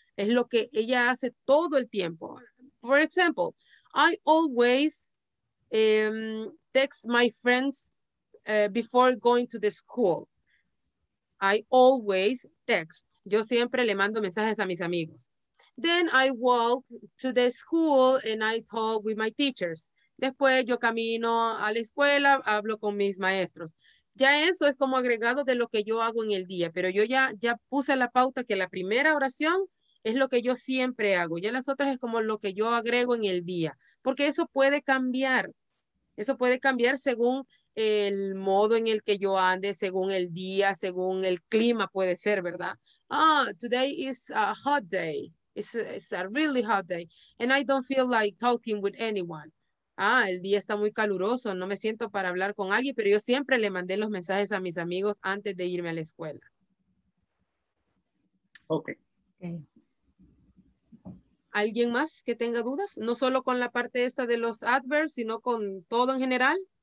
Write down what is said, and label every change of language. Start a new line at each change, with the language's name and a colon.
Spanish: Es lo que ella hace todo el tiempo.
English: For example, I always text my friends before going to the school. I always text.
Spanish: Yo siempre le mando mensajes a mis amigos.
English: Then I walk to the school and I talk with my teachers.
Spanish: Después yo camino a la escuela, hablo con mis maestros. Ya eso es como agregado de lo que yo hago en el día, pero yo ya puse la pauta que la primera oración es lo que yo siempre hago. Ya las otras es como lo que yo agrego en el día, porque eso puede cambiar. Eso puede cambiar según el modo en el que yo ande, según el día, según el clima puede ser, ¿verdad?
English: Ah, today is a hot day. It's a really hot day. And I don't feel like talking with anyone.
Spanish: Ah, el día está muy caluroso, no me siento para hablar con alguien, pero yo siempre le mandé los mensajes a mis amigos antes de irme a la escuela.
English: Okay.
Spanish: ¿Alguien más que tenga dudas? No solo con la parte esta de los adverbs, sino con todo en general.